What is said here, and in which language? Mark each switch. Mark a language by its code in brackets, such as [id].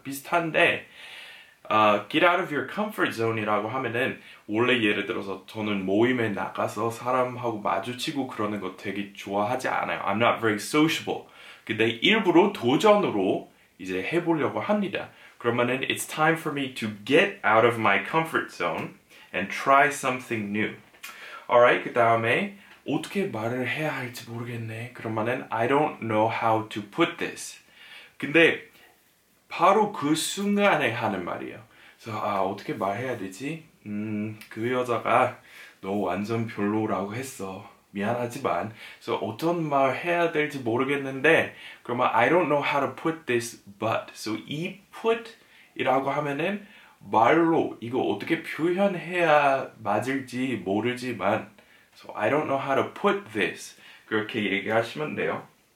[ko] 비슷한데 [en] get out of your comfort zone [ko] 이라고 하면은 원래 예를 들어서 저는 모임에 나가서 사람하고 마주치고 그러는 거 되게 좋아하지 않아요. [en] I'm not very sociable. [ko] 근데 일부러 도전으로 이제 해보려고 합니다. [en] 그러면은 it's time for me to get out of my comfort zone and try something new. [ko] Alright, 그 다음에 어떻게 말을 해야 할지 모르겠네. [en] 그러면은 I don't know how to put this. [ko] 근데 바로 그 순간에 하는 말이에요. 그래서 아, 어떻게 말해야 되지? 그 여자가 너 완전 별로라고 했어. 미안하지만 그래서 어떤 말 해야 될지 모르겠는데 그러면 [en] I don't know how to put this but so [ko] 이 put이라고 하면은 말로 이거 어떻게 표현해야 맞을지 모르지만 [en] so I don't know how to put this [ko] 그렇게 얘기하시면 돼요.